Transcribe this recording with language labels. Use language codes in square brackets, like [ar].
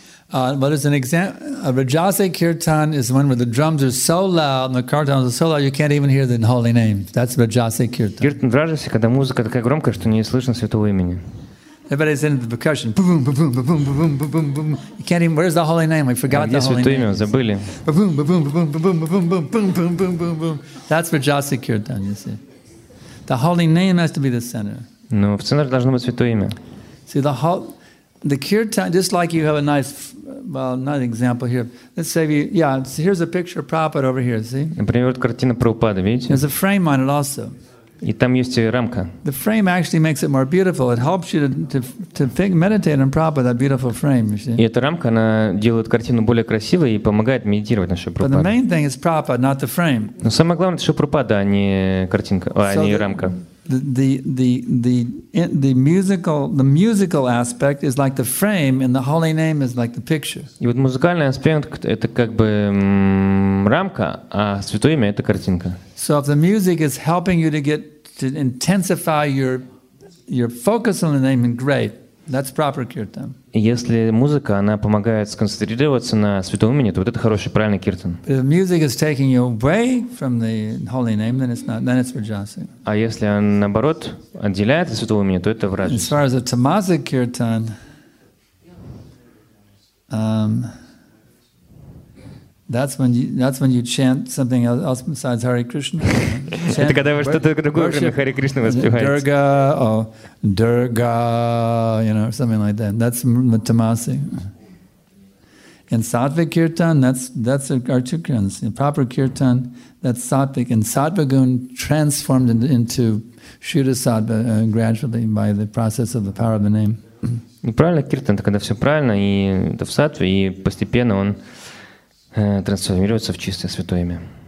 [en] But as an example, a Rajasic kirtan is one where the drums are so loud and the kartans are so loud you can't even hear the holy name. That's Rajasic kirtan. [ru] Kirtan Rajasic, когда музыка такая громкая, что не слышно святого имени. [en] Everybody's into the percussion. Boom, boom, boom, boom, boom, boom, boom, boom, boom. You can't even. Where's the holy name? I forgot the holy name. [ru] Имя, забыли. [en] Boom, boom, boom, boom, boom, boom, boom, boom, boom, boom, boom, boom. That's for Jasi Kirtan, you see. The holy name has to be the center. [ru] Ну, в центре должно быть святое имя. [en] See the whole, the kirtan. Just like you have a nice, well, not an example here. Let's say you, yeah. So here's a picture of Prabhupada over here. See. [ru] Например, картина Прабхупады, видите? [en] There's a frame on it also. [ru] И там есть рамка. [en] The frame actually makes it more beautiful. It helps you to think, meditate on Prabhupada, that beautiful frame. You see? [ru] И эта рамка, она делает картину более красивой и помогает медитировать на Шри Прабхупаду. [en] But the main thing is Prabhupada, not the frame. [ru] Но самое главное, это Шри Прабхупада, а не картинка, а не рамка. [en] The musical aspect is like the frame, and the holy name is like the picture. [ru] И вот музыкальный аспект это как бы рамка, а святое имя это картинка. [en] So if the music is helping you to intensify your focus on the name, then great, that's proper kirtan. [ru] Если музыка она помогает сконцентрироваться на святом имени, то вот это хороший правильный киртан. [en] But if music is taking you away from the holy name, then it's not. Then it's rajasic. [ru] А если он наоборот отделяет от святого имени, то это враж. [en] As far as a tamasic kirtan, that's when you chant something else besides Hare Krishna. [ru] Это когда вы что-то другое, кроме Харе Кришны, воспеваете. [en] Durga, oh, Durga, you know, something like that. That's tamasic. And sattvic kirtan, that's archukran. Proper kirtan, that's sattvic. And sattvagun transformed into shuddha sattva gradually by the process of the power of the name. [ru] Правильно киртан, это когда все правильно, и это в сатве, и постепенно он трансформируется в чистое святое имя.